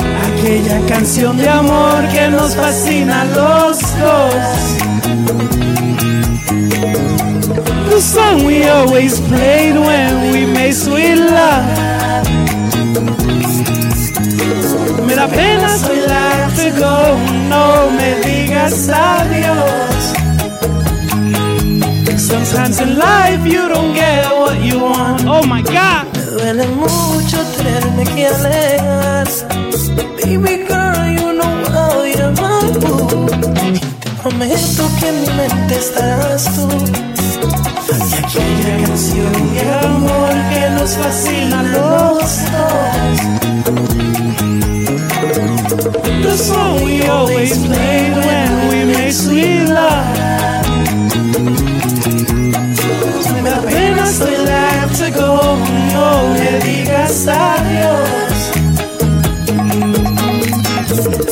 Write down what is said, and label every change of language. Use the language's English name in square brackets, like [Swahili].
[Spanish] Aquella canción de amor que nos fascina a los dos. [English] The song we always played when we made sweet love. [Spanish] Me da pena, soy [English] left to go. [Spanish] No me digas adiós. [English] Sometimes in life you don't get what you want. Oh my God. [Spanish] Me duele mucho tenerme que alejar. [English] Baby girl, you know how you're my boo. [Spanish] Te prometo que en mi mente estarás tú. Y aquella canción y el amor que nos fascina a los dos. [English] The song we always played when we made sweet love. [Spanish] Me da pena, soy [English] left to go. [Spanish] No me digas adiós.